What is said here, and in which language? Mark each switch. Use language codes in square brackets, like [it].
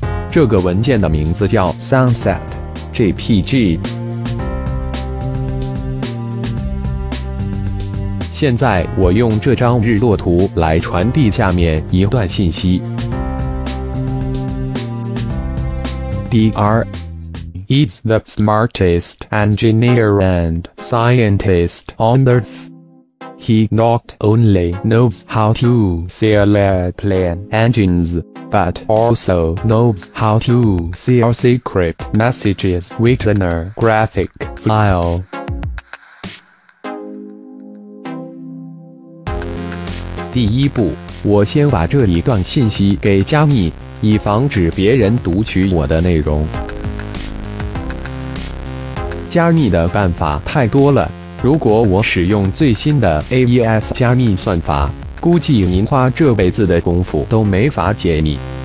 [zh] 这个文件的名字叫 Sunset.jpg。现在我用这张日落图来传递下面一段信息。DR [en] is the smartest engineer and scientist on Earth. He not only knows how to sell airplane engines, but also knows how to sell secret messages within a graphic file. [zh] 第一步，我先把这一段信息给加密，以防止别人读取我的内容。加密的办法太多了，如果我使用最新的 AES 加密算法，估计您花这辈子的功夫都没法解密。